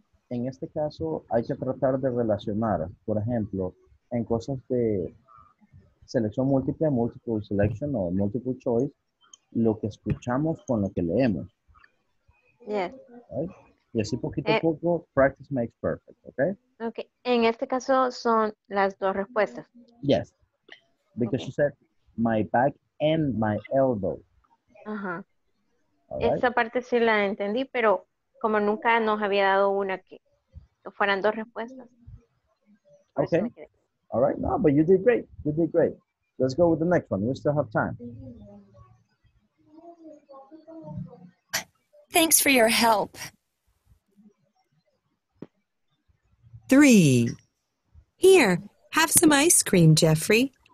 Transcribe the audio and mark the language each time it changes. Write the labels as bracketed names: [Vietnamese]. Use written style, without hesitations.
[Spanish] En este caso, hay que tratar de relacionar, por ejemplo, en cosas de selección múltiple, [English] multiple selection [Spanish] o multiple choice, lo que escuchamos con lo que leemos. [English] Yeah. Right? [Spanish] Y así poquito a poco, [English] practice makes perfect, okay? [Spanish] Okay, en este caso son las dos respuestas. [English] Yes, because she said my back and my elbow. Ajá. Right? [Spanish] Esa parte sí la entendí, pero como nunca nos había dado una que fueran dos respuestas. [English] Okay. All right, no, but you did great. You did great. Let's go with the next one. We still have time. Thanks for your help. Three. Here, Have some ice cream, Jeffrey.